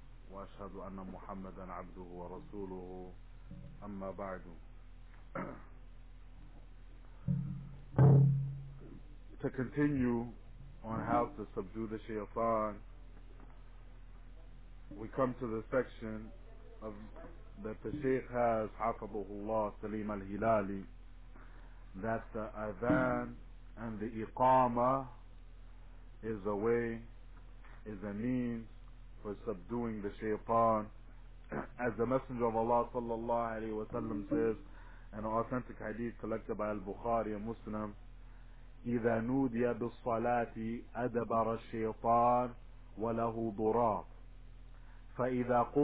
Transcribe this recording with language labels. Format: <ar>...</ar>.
<ar>وأشهد أن محمدا عبده ورسوله أما بعد.</ar> <en>To continue on how to subdue the shaitan, we come to the section of that the Shaykh has hafidhahullah Salim al-Hilali, that the adhan and the iqamah is a way, is a means for subduing the shaitan. As the Messenger of Allah sallallahu alayhi wa sallam says, an authentic hadith collected by Al-Bukhari and Muslim,</en> <ar>إِذَا نُودِيَ بِالصَّلَاةِ أَدَبَرَ الشَّيْطَانِ وَلَهُ ضُرَاطِ فَإِذَا</ar>